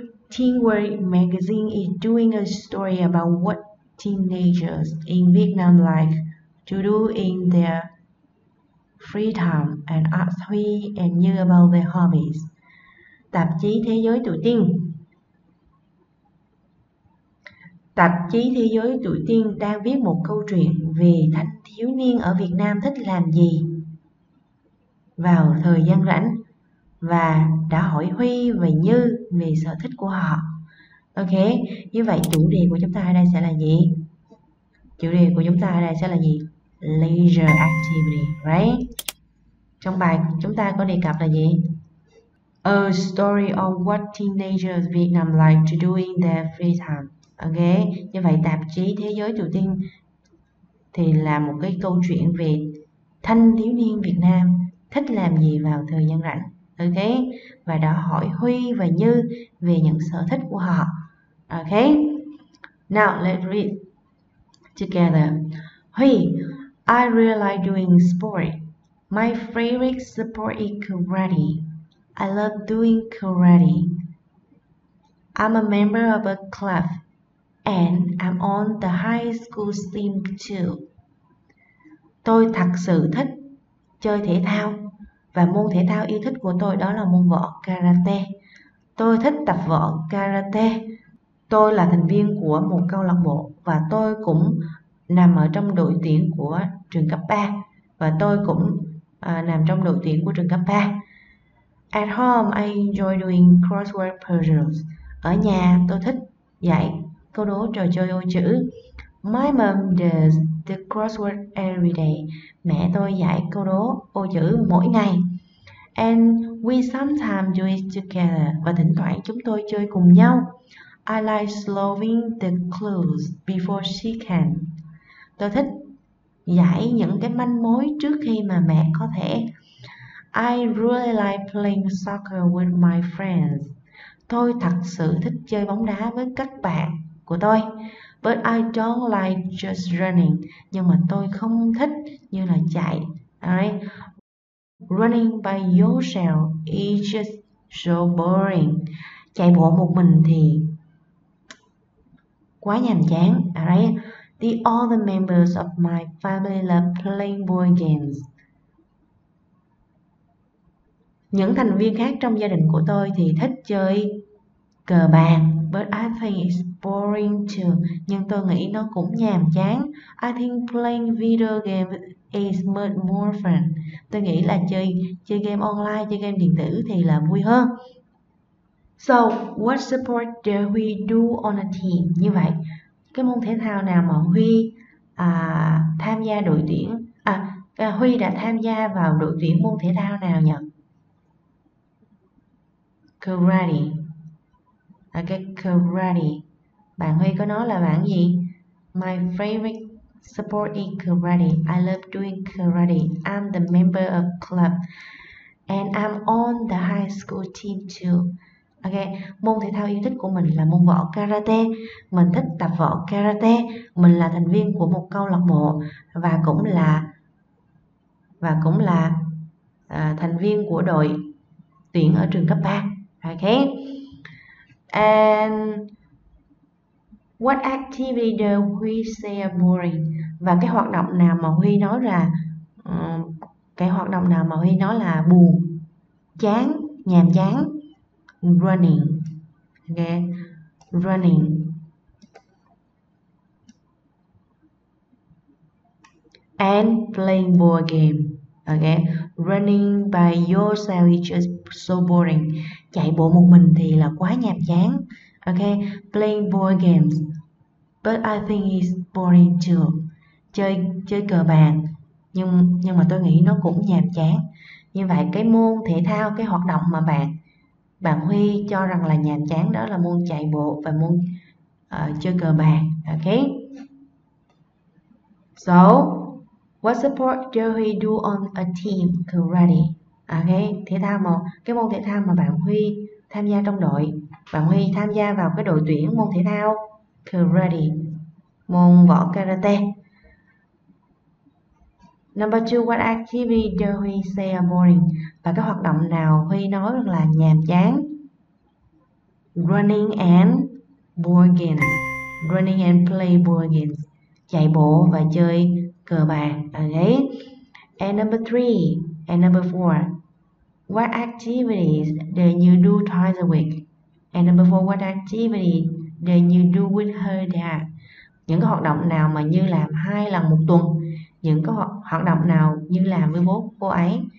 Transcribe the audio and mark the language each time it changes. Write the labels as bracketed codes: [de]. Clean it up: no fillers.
[en] Teen World Magazine is doing a story about what teenagers in Vietnam like to do in their free time and ask Huy and Như about their hobbies. [vi] Tạp chí thế giới tuổi teen. Tạp chí thế giới tuổi teen đang viết một câu chuyện về thanh thiếu niên ở Việt Nam thích làm gì vào thời gian rảnh và đã hỏi Huy và Như về sở thích của họ. Như vậy chủ đề của chúng ta ở đây sẽ là gì? Chủ đề của chúng ta ở đây sẽ là gì? [en] Leisure activity, right? [vi] Trong bài chúng ta có đề cập là gì? [en] A story of what teenagers Vietnam like to do in their free time. [vi] Như vậy tạp chí Thế giới Triều Tiên thì là một cái câu chuyện về thanh thiếu niên Việt Nam thích làm gì vào thời gian rảnh. Và đã hỏi Huy và Như về những sở thích của họ. [en] Now let's read together. Huy, I really like doing sport. My favorite sport is karate. I love doing karate. I'm a member of a club and I'm on the high school team too. [vi] Tôi thật sự thích chơi thể thao. Và môn thể thao yêu thích của tôi đó là môn võ karate. Tôi thích tập võ karate Tôi là thành viên của một câu lạc bộ và tôi cũng nằm ở trong đội tuyển của trường cấp 3 và tôi cũng nằm trong đội tuyển của trường cấp 3. [en] At home, I enjoy doing crossword puzzles. [vi] Ở nhà, tôi thích giải câu đố trò chơi ô chữ. [en] My mom does the crossword every day. [vi] Mẹ tôi giải câu đố ô chữ mỗi ngày. [en] And we sometimes do it together. [vi] Và thỉnh thoảng chúng tôi chơi cùng nhau. [en] I like solving the clues before she can. [vi] Tôi thích giải những cái manh mối trước khi mà mẹ có thể. [en] I really like playing soccer with my friends. [vi] Tôi thật sự thích chơi bóng đá với các bạn của tôi. [en] But I don't like just running. [vi] Nhưng mà tôi không thích như là chạy. [en] Alright. Running by yourself is just so boring. [vi] Chạy bộ một mình thì quá nhàm chán. [en] Alright. The other members of my family love playing board games. [vi] Những thành viên khác trong gia đình của tôi thì thích chơi cờ bạc. [en] But I think it's boring too. [vi] Nhưng tôi nghĩ nó cũng nhàm chán. [en] I think playing video game is much more fun. [vi] Tôi nghĩ là chơi game online, chơi game điện tử thì là vui hơn. [en] So, what sport do we do on a team? [vi] Như vậy, cái môn thể thao nào mà Huy tham gia đội tuyển? À, Huy đã tham gia vào đội tuyển môn thể thao nào nhỉ? [en] Karate. Okay, karate. [vi] Bạn Huy có nói là bạn gì? [en] My favorite sport is karate. I love doing karate. I'm the member of club. And I'm on the high school team too. [vi] Okay, môn thể thao yêu thích của mình là môn võ karate. Mình thích tập võ karate. Mình là thành viên của một câu lạc bộ và cũng là thành viên của đội tuyển ở trường cấp 3. [en] Okay. And what activity do we say are boring? [vi] Và cái hoạt động nào mà Huy nói là buồn, chán, nhàm chán? [en] Running. Okay. Running. And playing board game. Okay. Running by yourself is just so boring. [vi] Chạy bộ một mình thì là quá nhàm chán. [en] Okay. Playing board games. But I think it's boring too. [vi] Chơi cờ bạc. Nhưng mà tôi nghĩ nó cũng nhàm chán. Như vậy cái môn thể thao, cái hoạt động mà bạn Huy cho rằng là nhàm chán đó là môn chạy bộ và môn chơi cờ bạc. [en] Okay. So, what sport do we do on a team? Karate. Okay. [vi] Thể thao mà cái môn thể thao mà bạn Huy tham gia trong đội. Bạn Huy tham gia vào cái đội tuyển môn thể thao karate. Môn võ karate. [en] Number two, what activity do we say are boring? [vi] Và cái hoạt động nào Huy nói rằng là nhàm chán? [en] Running and board games. Running and play board games. [vi] Chạy bộ và chơi cờ bạc. Okay. [en] And number three, and number four, what activities do you do twice a week? And number four, what activities do you do with her dad? [vi] Những cái hoạt động nào mà Như làm hai lần một tuần? Những cái hoạt động nào Như làm với bố cô ấy?